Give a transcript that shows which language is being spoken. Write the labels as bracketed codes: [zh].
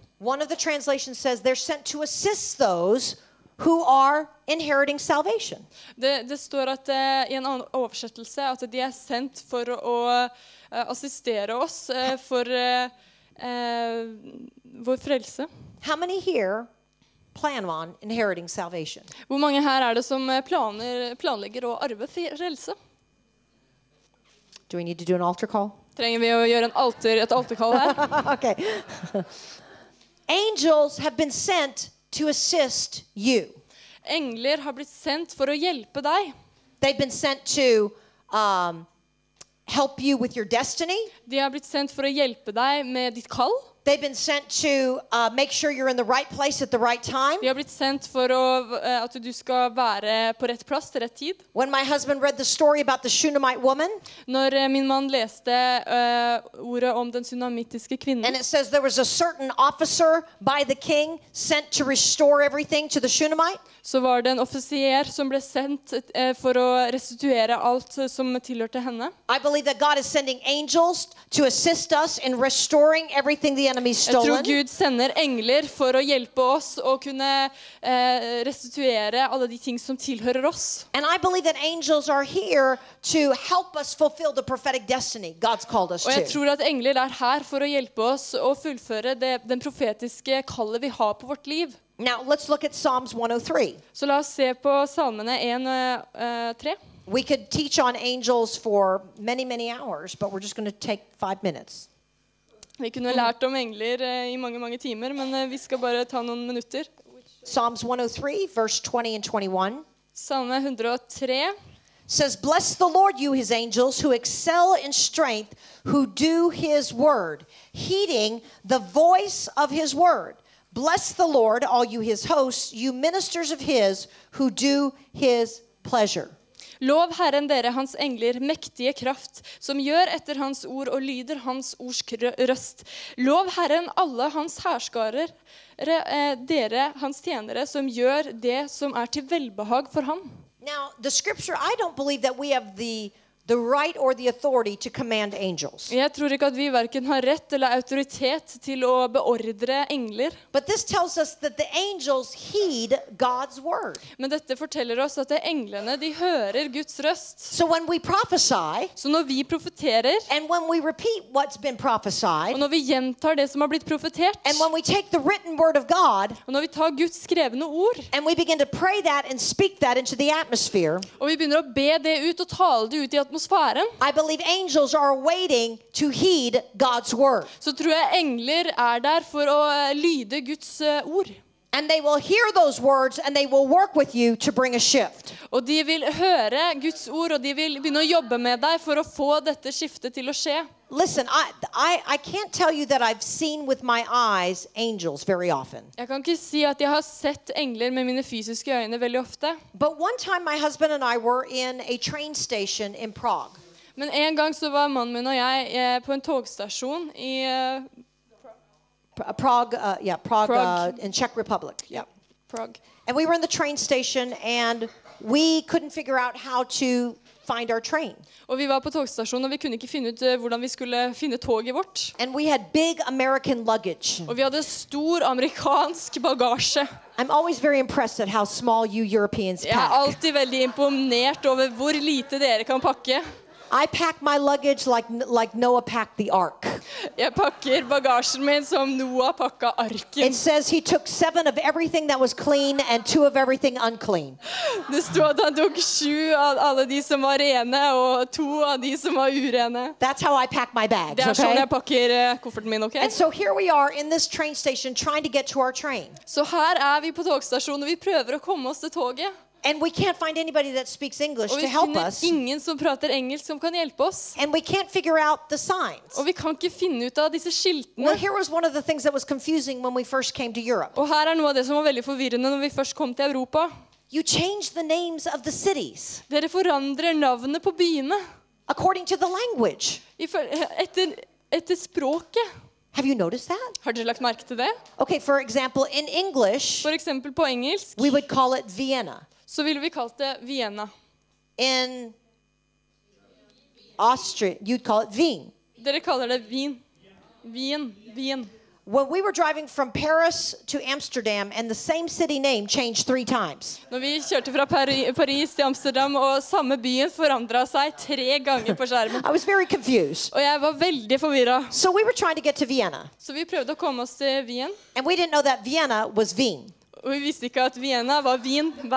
[en] One of the translations says they're sent to assist those who are inheriting salvation. [no] Det står at i en annen oversettelse at de sendt for å assistere oss for vår frelse. [en] How many here plan on inheriting salvation? [no] Hvor mange her det som planlegger å arve frelse? [en] Do we need to do an altar call? [no] Trenger vi å gjøre en alter, et alterkall her? [en] Okay. Angels have been sent to assist you. [no] Engler har blitt sendt for å hjelpe deg. [en] They've been sent to help you with your destiny. [no] De har blitt sendt for å hjelpe deg med ditt kall. [en] They've been sent to make sure you're in the right place at the right time. [no] De har blitt sendt for å, at du skal være på rett plass til rett tid. [en] When my husband read the story about the Shunammite woman. [no] Når min mann leste ordet om den sunamittiske kvinnen. [en] And it says there was a certain officer by the king sent to restore everything to the Shunammite. [no] Så var det en offisier som ble sendt for å restituere alt som tilhørte henne. [en] I believe that God is sending angels to assist us in restoring everything the enemy stolen. [no] Jeg tror Gud sender engler for å hjelpe oss og kunne restituere alle de ting som tilhører oss. [en] And I believe that angels are here to help us fulfill the prophetic destiny God's called us to. [no] Og jeg tror at engler er her for å hjelpe oss og fullføre det, den profetiske kallet vi har på vårt liv. [en] Now let's look at Psalms 103. [no] Så la oss se på salmene 103. [en] We could teach on angels for many, many hours, but we're just going to take 5 minutes. [no] Vi kunne lært om engler I mange, mange timer, men vi skal bare ta noen minutter. [en] Psalms 103, verse 20 and 21. [no] Salme 103. [en] Says, bless the Lord, you his angels, who excel in strength, who do his word, heeding the voice of his word. Bless the Lord, all you his hosts, you ministers of his, who do his pleasure. [no] Lov Herren dere, hans engler, mektige kraft, som gjør etter hans ord og lyder hans ords røst. Lov Herren alle hans herskarer, dere, hans tjenere, som gjør det som til velbehag for ham. [en] Now, the scripture, I don't believe that we have the right or the authority to command angels. [no] Jeg tror ikke at vi verken har rett eller autoritet til å beordre engler. [en] But this tells us that the angels heed God's word. [no] Men dette forteller oss at englene, de hører Guds røst. [en] So when we prophesy, [no] så når vi profeterer, [en] and when we repeat what's been prophesied, [no] og når vi gjentar det som blitt profetert, [en] and when we take the written word of God, [no] og når vi tar Guds skrevne ord, [en] and we begin to pray that and speak that into the atmosphere, [no] og vi begynner å be det ut og tale det ut [en] I believe angels are waiting to heed God's word. [no] Så tror jeg engler der for å lyde Guds ord. [en] And they will hear those words and they will work with you to bring a shift. [no] Og de vil høre Guds ord og de vil begynne å jobbe med deg for å få dette skiftet til å skje. [en] Listen, I can't tell you that I've seen with my eyes angels very often. [no] Jeg kan ikke si at jeg har sett engler med mine fysiske øyne veldig ofte. [en] But one time my husband and I were in a train station in Prague. [no] Men en gang så var mannen min og jeg på en togstasjon I [en] Prague, in Czech Republic, yeah. [no] Prague. [en] And we were in the train station and we couldn't figure out how to find our train. [no] Og vi var på togstasjonen og vi kunne ikke finne ut hvordan vi skulle finne toget vårt. [en] And we had big American luggage. [no] Og vi hadde stor amerikansk bagasje. [en] I'm always very impressed at how small you Europeans pack. [no] Jeg alltid veldig imponert over hvor lite dere kan pakke. [en] I pack my luggage like Noah packed the ark. [no] Jeg pakker bagasjen min som Noah pakket arken. [en] It says he took 7 of everything that was clean and 2 of everything unclean. [no] Det sto at han tok 7 av alle de som var rene og 2 av de som var urene. [en] That's how I pack my bags, okay? [no] Det sånn jeg pakker kofferten min, okay? [en] And so here we are in this train station trying to get to our train. [no] Så her vi på togstasjonen og vi prøver å komme oss til toget. [en] And we can't find anybody that speaks English to help us. [no] Ingen som prater engelsk som kan hjelpe oss. [en] And we can't figure out the signs. [no] Og vi kan ikke finne ut av disse skiltene. [en] Well, here was one of the things that was confusing when we first came to Europe. [no] Og her noe av det som veldig forvirrende når vi først kom til Europa. [en] You change the names of the cities. [no] Dere forandrer navnene på byene. [en] According to the language. [no] Etter språket. [en] Have you noticed that? [no] Har du lagt merke til det? [en] Okay, for example, in English. [no] For eksempel på engelsk. [en] We would call it Vienna. [no] Så ville vi kalt det Vienna. [en] In Austria, you'd call it Wien. [no] Dere kaller det Wien. Wien, Wien. [en] When we were driving from Paris to Amsterdam and the same city name changed 3 times. [no] Når vi kjørte fra Paris til Amsterdam og samme byen forandret seg 3 ganger på skjermen. [en] I was very confused. [no] Og jeg var veldig forvirret. [en] So we were trying to get to Vienna. [no] Så vi prøvde å komme oss til Wien. [en] And we didn't know that Vienna was Wien. [no] Og vi visste ikke at Vienna var Wien.